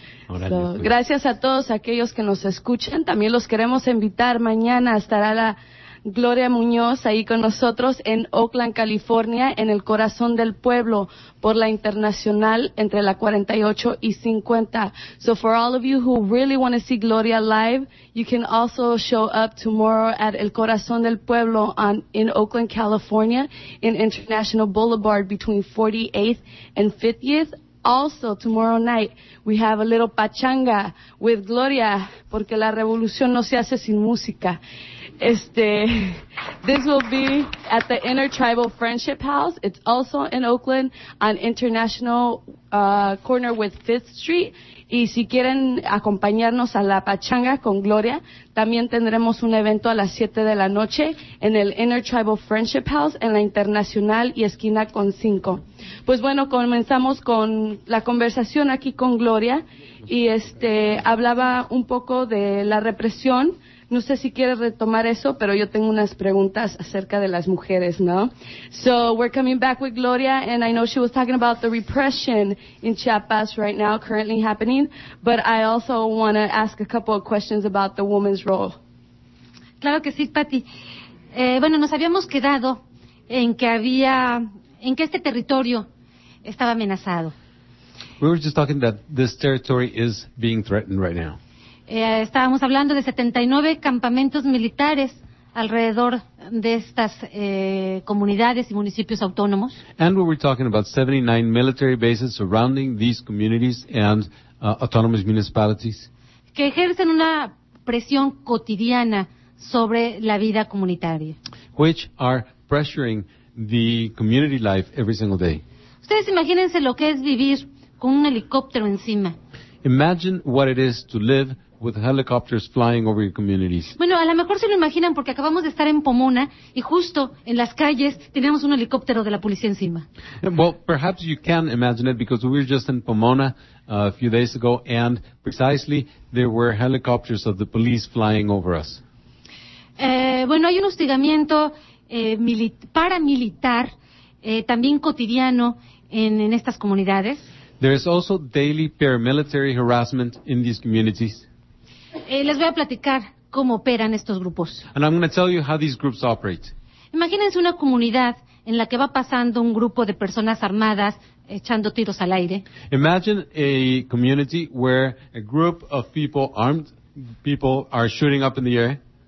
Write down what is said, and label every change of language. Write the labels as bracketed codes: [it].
[es] So, gracias a todos aquellos que nos escuchan. También los queremos invitar. Mañana estará la Gloria Muñoz ahí con nosotros en Oakland, California, en el corazón del pueblo, por la Internacional entre la 48 y 50. [en] So for all of you who really want to see Gloria live, you can also show up tomorrow at El Corazón del Pueblo in Oakland, California, in International Boulevard between 48th and 50th. Also, tomorrow night, we have a little pachanga with Gloria, [es] porque la revolución no se hace sin música. [en] This will be at the Intertribal Friendship House. It's also in Oakland on International Corner with 5th Street. [es] Y si quieren acompañarnos a la pachanga con Gloria, también tendremos un evento a las 7 de la noche en el Intertribal Friendship House en la Internacional y esquina con 5. Pues bueno, comenzamos con la conversación aquí con Gloria y hablaba un poco de la represión No sé si quieres retomar eso, pero yo tengo unas preguntas acerca de las mujeres, ¿no? [en] So we're coming back with Gloria, and I know she was talking about the repression in Chiapas right now, currently happening, but I also want to ask a couple of questions about the woman's role. [es] Claro que sí, Patty. Bueno, nos habíamos quedado en que había, en que este territorio estaba amenazado. [en] We were just talking that this territory is being threatened right now. [es] Estábamos hablando de 79 campamentos militares alrededor de estas comunidades y municipios autónomos. [en] And we were talking about 79 military bases surrounding these communities and autonomous municipalities. [es] Que ejercen una presión cotidiana sobre la vida comunitaria. [en] Which are pressuring the community life every single day. [es] Ustedes imagínense lo que es vivir con un helicóptero encima. [en] Imagine what it is to live with helicopters flying over your communities. [es] Bueno, a lo mejor se lo imaginan porque acabamos de estar en Pomona y justo en las calles teníamos un helicóptero de la policía encima. [en] Well, perhaps you can imagine it because we were just in Pomona a few days ago and precisely there were helicopters of the police flying over us. [es] Bueno, hay un hostigamiento paramilitar también cotidiano en estas comunidades. [en] There is also daily paramilitary harassment in these communities. [es] Les voy a platicar cómo operan estos grupos. [en] And I'm going to tell you how these groups operate. [es] Imagínense una comunidad en la que va pasando un grupo de personas armadas echando tiros al aire. [en] Imagine a community where a group of people, armed people, are shooting up in the air.